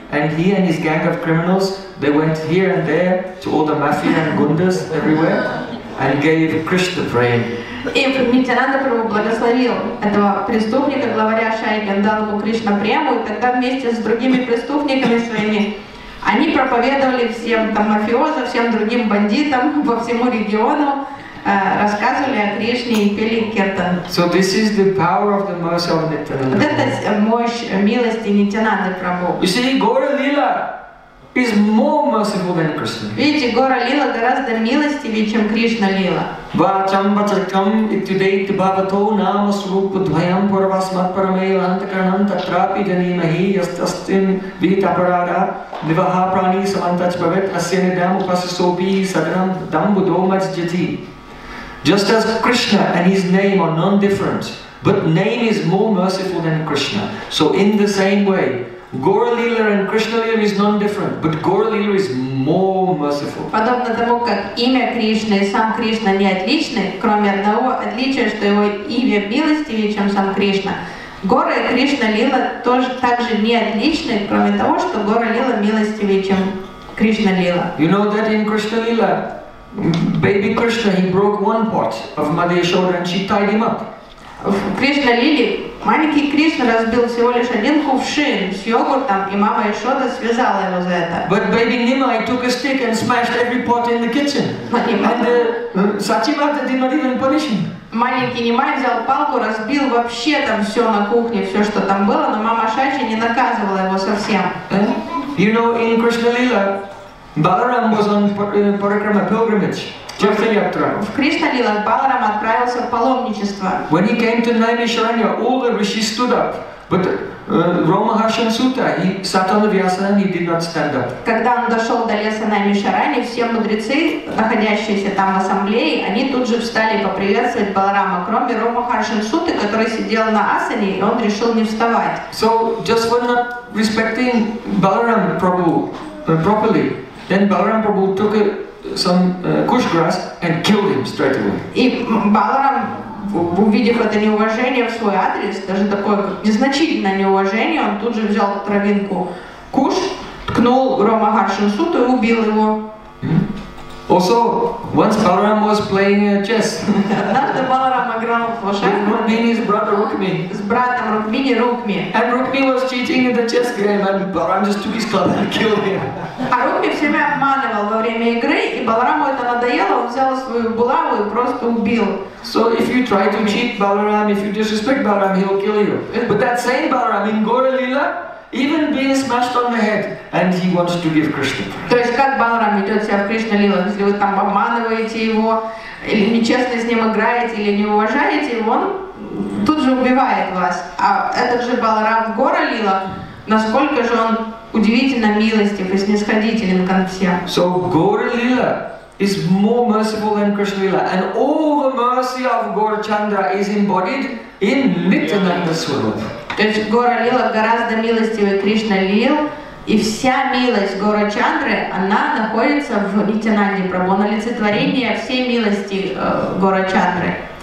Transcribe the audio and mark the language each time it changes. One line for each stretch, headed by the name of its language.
English: And he and his gang of criminals, they went here and there to all the mafia and gundas everywhere and gave Krishna praying.
Russian: И Нитянанда Прабху благословил этого преступника, главаря шайки, он дал ему Кришна прему, и тогда вместе с другими преступниками своими они проповедовали всем там мафиозам, всем другим бандитам по всему региону, рассказывали о Кришне и пели киртан.
English: So this is the power of the mercy of Nityananda.
Russian: Это мощь милости Нитянанды Прабху.
English: You see, Gaura Lila is more merciful than Krishna.
Russian: Видите, Гора Лила гораздо милостивее, чем Кришна Лила.
Sanskrit: Vacham vacharkam ityudaita bhavato nama srupa dvayam parvasmat paramei vantakarnam tatrapi janimahi yastastin vita parara nivaha prani samantach bhavet asyanidam upasasopi sadanam dambu domaj jati.
English: Just as Krishna and his name are non-different, but name is more merciful than Krishna. So in the same way, Gaura Lila and Krishna Lila is non-different, but Gaura Lila is more merciful.
Russian: Подобно тому, как имя Кришны и сам Кришна не отличны, кроме одного отличия, что его имя милостивее, чем сам Кришна. Гора и Кришна Лила тоже также не отличны, кроме того, что Гаура Лила милостивее, чем Кришна Лила.
English: You know that in Krishna Lila, baby Krishna, he broke one pot of Mother Yashoda and she tied him up.
Russian: Кришна Лили, маленький Кришна разбил всего лишь один кувшин с йогуртом, и мама Яшода связала его за это.
English: But baby Nimai took a stick and smashed every pot in the kitchen. And Сачимата did not even punish him.
Russian: Маленький Нимай взял палку, разбил вообще там все на кухне, все, что там было, но мама Шачи не наказывала его совсем.
English: You know, in Krishna Lila, Balaram was on Parikrama pilgrimage.
Russian: В Кришна Лила Баларам отправился в паломничество.
English: When he came to Naimisharanya, all the rishis stood up, but Rama Harsha Sutta, he sat on the vyasa and he did not stand up.
Russian: Когда он дошел до леса Наймишарани, все мудрецы, находящиеся там в ассамблее, они тут же встали поприветствовать Баларама, кроме Рама Харшин Сутты, который сидел на асане, и он решил не вставать.
English: So just when not respecting Balaram Prabhu properly, then Balaram Prabhu took some kush grass and killed him straight away.
Russian: И Баларам, увидев это неуважение в свой адрес, даже такое незначительное неуважение, он тут же взял травинку куш, ткнул Рама Харшин Сутту и убил его.
English: Also, once Balaram was playing chess.
Russian: Однажды Баларам играл в шахматы.
English: Rukmini's brother Rukmi.
Russian: С братом Rukmini Rukmi.
English: And Rukmi was cheating in the chess game, and Balaram just took his club and killed him.
Russian: А Rukmi все время обманывал во время игры, и Балараму это надоело, он взял свою булаву и просто убил.
English: So if you try to cheat Balaram, if you disrespect Balaram, he'll kill you. But that same Balaram in Gaura Lila, even being smashed on the head, and he wants to give Krishna.
Russian: То есть как Баларам ведет себя в Кришна Лила, если вы там обманываете его, или нечестно с ним играете, или не уважаете, он тут же убивает вас. А этот же Баларам Гора Лила, насколько же он удивительно милостив и снисходителен ко всем.
English: So Gora Lila is more merciful than Krishna Lila, and all the mercy of Gora Chandra is embodied in Nityananda Swarup.
Russian: То есть Гора Лила гораздо милостивее Кришна Лил, и вся милость Гора Чандры, она находится в Нитянанде Прабху, на олицетворение всей милости Гора Чандры.